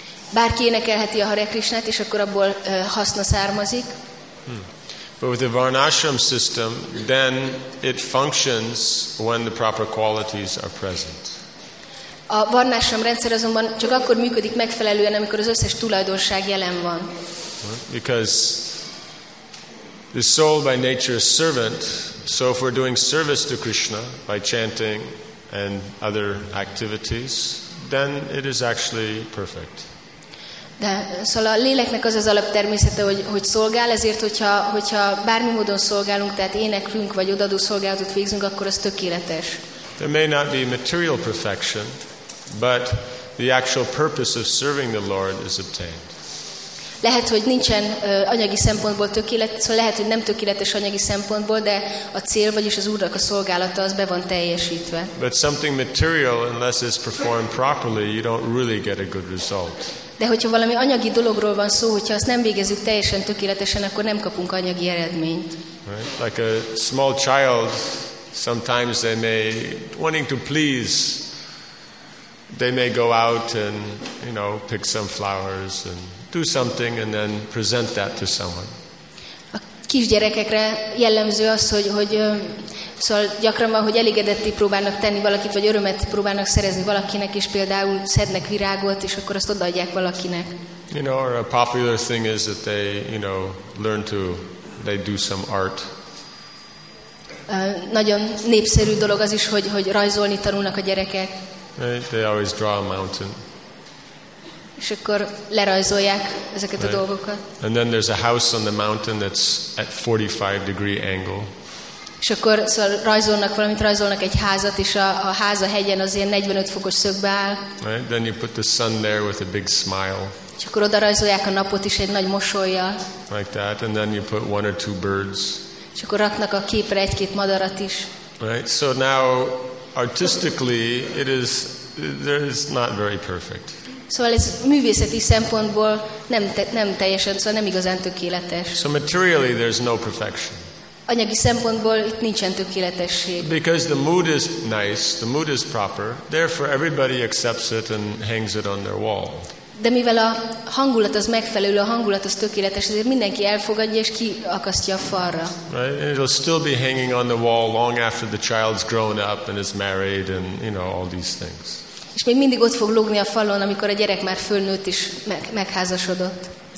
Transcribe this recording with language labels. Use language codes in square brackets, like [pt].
[hu] Bárki énekelheti a Hare Krishnát, és akkor abból haszna származik. [en] But with the Varnashram system, then it functions when the proper qualities are present. [hu] A Varnashram rendszer azonban csak akkor működik megfelelően, amikor az összes tulajdonság jelen van. [en] Because the soul by nature is servant, so if we're doing service to Krishna by chanting and other activities, then it is actually perfect. [hu] De szóval a léleknek az az alaptermészete, hogy szolgál, ezért, hogyha bármi módon szolgálunk, tehát éneklünk, vagy odaadó szolgálatot végzünk, akkor az tökéletes. [en] There may not be material perfection, but the actual purpose of serving the Lord is obtained. [hu] Lehet, hogy nincsen anyagi szempontból tökéletes, szóval lehet, hogy nem tökéletes anyagi szempontból, de a cél, vagyis az Úrnak a szolgálata, az be van teljesítve. [en] But something material, unless it's performed properly, you don't really get a good result. [hu] De hogyha valami anyagi dologról van szó, hogyha azt nem végezzük teljesen tökéletesen, akkor nem kapunk anyagi eredményt. [en] Right? Like a small child, sometimes they may, wanting to please, they may go out and, you know, pick some flowers and do something and then present that to someone. [hu] A kisgyerekekre jellemző az, hogy szóval gyakran van, hogy elégedetté próbálnak tenni valakit, vagy örömet próbálnak szerezni valakinek, és például szednek virágot, és akkor azt odaadják valakinek. [en] You know, or a popular thing is that they, you know, learn to, they do some art. [hu] Nagyon népszerű dolog az is, hogy rajzolni tanulnak a gyerekek. [en] They always draw a mountain. [hu] És akkor lerajzolják ezeket a dolgokat. [en] And then there's a house on the mountain that's at 45 degree angle. [hu] És akkor szóval rajzolnak valamit, rajzolnak egy házat, és a ház a hegyen az ilyen 45 fokos szögbe áll. [en] Right? Then you put the sun there with a big smile. [hu] És akkor oda rajzolják a napot is egy nagy mosollyal. [en] Like that, and then you put one or two birds. [hu] És akkor raknak a képre egy-két madarat is. [en] Right? So now, artistically, it is is not very perfect. [hu] Szóval ez művészeti szempontból nem teljesen, szóval nem igazán tökéletes. [en] So materially there's no perfection. [hu] Anyagi szempontból itt nincsen tökéletesség. [en] Because the mood is nice, the mood is proper, therefore everybody accepts it and hangs it on their wall. [hu] De mivel a hangulat az megfelelő, a hangulat az tökéletes, ezért mindenki elfogadja és kiakasztja a falra. [en] Right? And it'll still be hanging on the wall long after the child's grown up and is married and you know all these things. [hu] És még mindig ott fog lógni a falon, amikor a gyerek már fölnőtt és megházasodott.